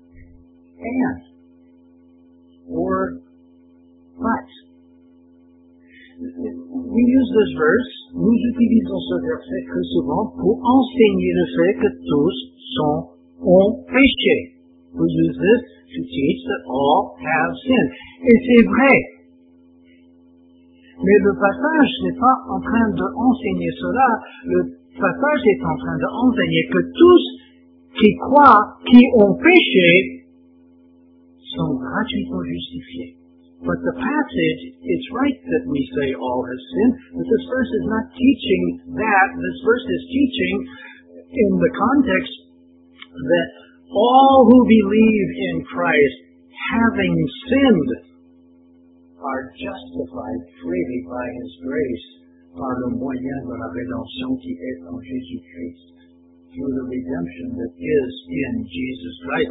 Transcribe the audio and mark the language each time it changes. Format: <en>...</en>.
<en>And, or, but. We use this verse,</en> <fr>nous utilisons ce verset très souvent pour enseigner le fait que tous sont en péché.</fr> <en>We use this to teach that all have sinned.</en> <fr>Et c'est vrai. Mais le passage n'est pas en train de enseigner cela. Le passage est en train de enseigner que tous qui croient, qui ont péché, sont gratuitement justifiés.</fr> <en>But the passage, it's right that we say all have sinned, but this verse is not teaching that. This verse is teaching in the context that all who believe in Christ, having sinned, are justified freely by his grace,</en> <fr>par le moyen de la rédemption qui est en Jésus Christ,</fr> <en>through the redemption that is in Jesus Christ.</en>